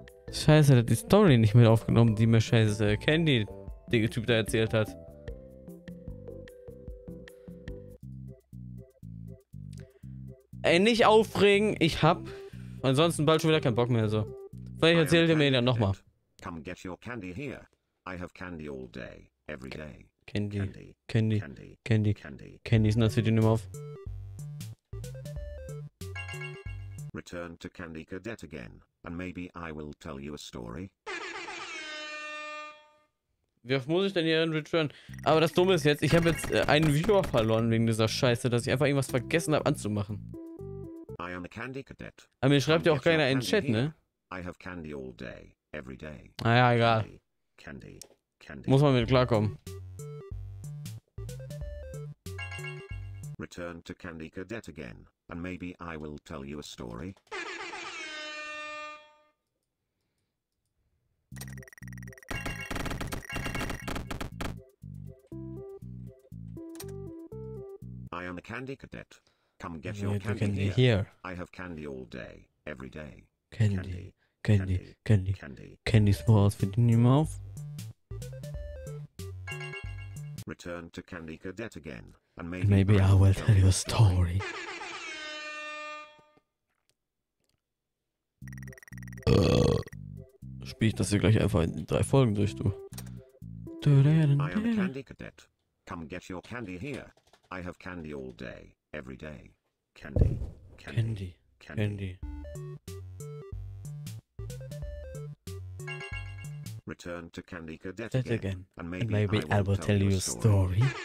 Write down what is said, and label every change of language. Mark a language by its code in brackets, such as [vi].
[de] Scheiße, der hat die Story nicht mehr aufgenommen, die mir scheiße Candy, der Typ da erzählt hat. Ey, nicht aufregen. Ich hab ansonsten bald schon wieder keinen Bock mehr. So. Vielleicht erzählt ihr mir ihn dann nochmal. [en] Come get your candy here. I have candy all day, every day. Candy. Candy. Candy. Candy. Candy. [de] Candy ist natürlich nicht mehr auf. [en] Return to Candy Cadet again, and maybe I will tell you a story. [de] Wie oft muss ich denn hier in Return? Aber das Dumme ist jetzt, ich habe jetzt einen Viewer verloren wegen dieser Scheiße, dass ich einfach irgendwas vergessen habe anzumachen. [en] I am a Candy Cadet. [de] Aber mir schreibt ja auch keiner in den Chat, ne? [en] I have candy all day, every day. [de] Ah ja, egal. [en] Candy, Candy. [de] Muss man mit klarkommen. [en] Return to Candy Cadet again, and maybe I will tell you a story. I am a Candy Cadet. Come get your candy, candy here. I have candy all day, every day. Candy, candy, candy, candy. Candy smalls fit in your mouth. Return to Candy Cadet again, and maybe I will tell you a story. [de] Spiel ich das hier gleich einfach in 3 Folgen durch, du. [en] I am a Candy Cadet. Come get your candy here. I have candy all day, every day. Candy, candy, candy. Candy. Candy. Return to Candy Cadet that again, and maybe I will tell you a story.